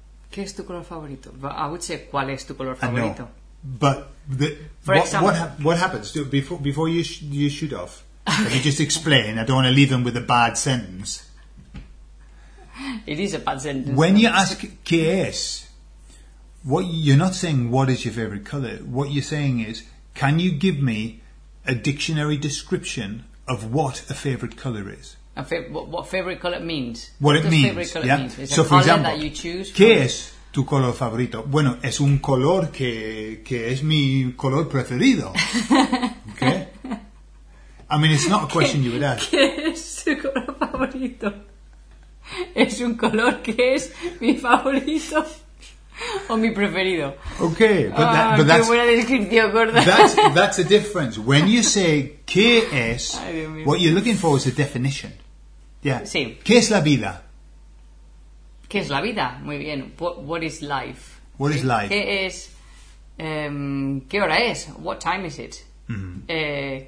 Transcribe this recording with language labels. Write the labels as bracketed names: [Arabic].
[Spanish] ¿Qué es tu color favorito? I would say ¿cuál es tu color favorito? [English] No. But what happens? Before you shoot off, let me just explain. I don't want to leave him with a bad sentence. It is a bad sentence. [Spanish] When you ask ¿qué es? [English] What you're not saying, what is your favorite color? What you're saying is, can you give me a dictionary description of what a favorite color is? What favorite color means? What it means? Favorite color means? So, for example, that you choose. [Spanish] ¿Qué es tu color favorito? Bueno, es un color que es mi color preferido. [English] Okay. I mean, it's not a question you would ask. [Spanish] ¿Qué es tu color favorito? Es un color que es mi favorito. O mi preferido. [English] Okay, but that's... [Spanish] Qué buena descripción, gorda. [English] That's a difference. When you say qué es, [Spanish] ay, Dios mío, [English] what you're looking for is a definition. Yeah. [Spanish] Sí. ¿Qué es la vida? ¿Qué es la vida? Muy bien. What is life? [English] What is life? [Spanish] ¿Qué es... ¿qué hora es? What time is it? Mm-hmm.